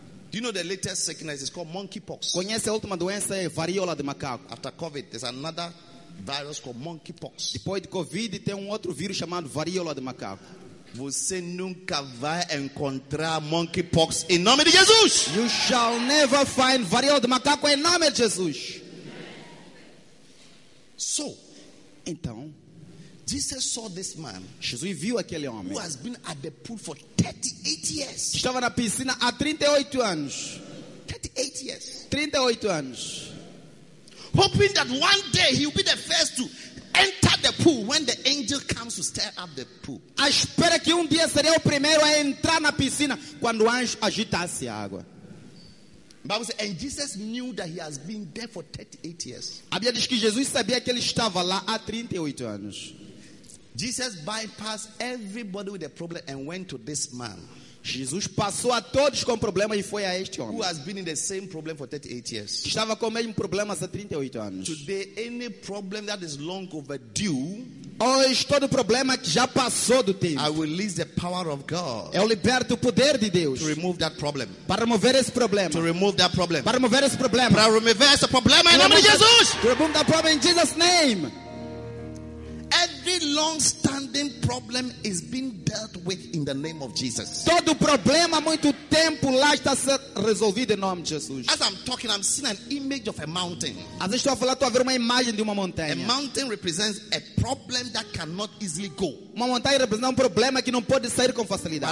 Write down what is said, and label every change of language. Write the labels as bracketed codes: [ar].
[en] Do you know the latest sickness is called monkeypox? [pt] Conhece a última doença é varíola de macaco. [en] After COVID, there's another virus called monkeypox. [pt] Depois de COVID, tem outro vírus chamado varíola de macaco. Você nunca vai encontrar monkeypox em nome de Jesus. [en] You shall never find [pt] varíola de macaco em nome de Jesus. [en] So, [pt] então, [en] Jesus saw this man. [pt] Jesus viu aquele homem. [en] Who has been at the pool for 38 years. [pt] Estava na piscina há 38 anos. [en] 38 years. [pt] 38 anos. [en] Hoping that one day he will be the first to enter the pool when the angel comes to stir up the pool. [pt] A espera que dia seria o primeiro a entrar na piscina quando o anjo agitasse a água. [en] Bible says, and Jesus knew that he has been there for 38 years. [pt] A Bíblia diz que Jesus sabia que ele estava lá há 38 anos. [en] Jesus bypassed everybody with a problem and went to this man. [pt] Jesus passou a todos com problema e foi a este homem. [en] Who has been in the same problem for 38 years. [pt] Estava com o mesmo problema há 38 anos. [en] Today, any problem that is long overdue, [pt] hoje todo problema que já passou do tempo, [en] I will release the power of God. [pt] Eu liberto o poder de Deus. [en] To remove that problem. [pt] Para remover esse problema. [en] To remove that problem. [pt] Para remover esse problema. Para remover esse problema em nome de Jesus. [en] To remove that problem in Jesus' name. Every long-standing problem is being dealt with in the name of Jesus. [pt] Todo problema muito tempo lá está sendo resolvido em nome de Jesus. [en] As I'm talking, I'm seeing an image of a mountain. [pt] As estou a falar, estou a ver uma imagem de uma montanha. [en] A mountain represents a problem that cannot easily go. [pt] Uma montanha representa problema que não pode sair com facilidade.